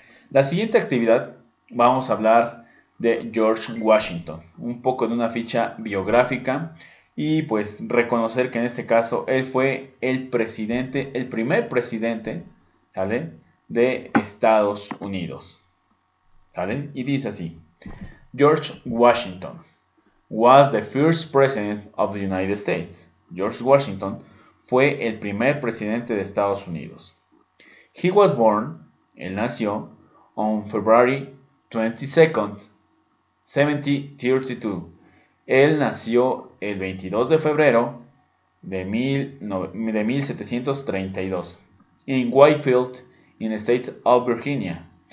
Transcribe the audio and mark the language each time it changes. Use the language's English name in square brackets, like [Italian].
[Spanish] La siguiente actividad, vamos a hablar de George Washington, un poco de una ficha biográfica. Y pues reconocer que en este caso él fue el presidente, el primer presidente, ¿sale? de Estados Unidos. ¿Saben? [English] Y dice así: George Washington was the first president of the United States. [Spanish] George Washington fue el primer presidente de Estados Unidos. [English] He was born, él nació, on February 22nd, 1732. [Spanish] Él nació el 22 de febrero de 1732 en Whitefield, en State of Virginia.